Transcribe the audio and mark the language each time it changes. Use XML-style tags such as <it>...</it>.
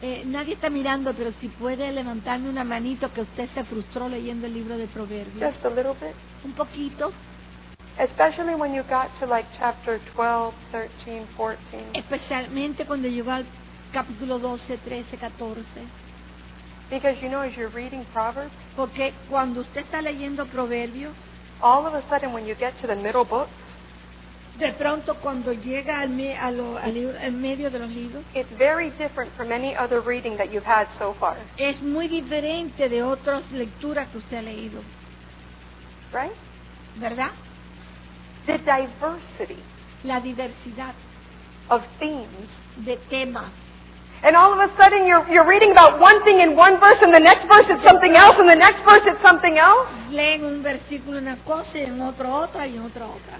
<es>Nadie está mirando, pero si puede levantarme una manito que usted se frustró leyendo el libro de Proverbios.</es> <en>Just a little bit.</en> <es>Un poquito.</es> <en>Especially when you got to like chapter 12, 13, 14.</en> <es>Especialmente cuando llegó al capítulo 12, 13, 14.</es> <en>Because you know, as you're reading Proverbs,</en> <es>porque cuando usted está leyendo Proverbios,</es> <en>all of a sudden when you get to the middle book,</en> <es>De pronto cuando llega al medio de los libros,</es> <en>it's very different from any other reading that you've had so far.</en> <es>Es muy diferente de otras lecturas que usted ha leído.</es> <en>Right?</en> <es>¿Verdad?</es> <en>The diversity.</en> <es>La diversidad.</es> <en>Of themes.</en> <es>De temas.</es> <en>And all of a sudden you're reading about one thing in one verse and the next verse it's something else and the next verse it's something else.</en> <es>Leen un versículo una cosa y en otro otra y en otra otra.</es>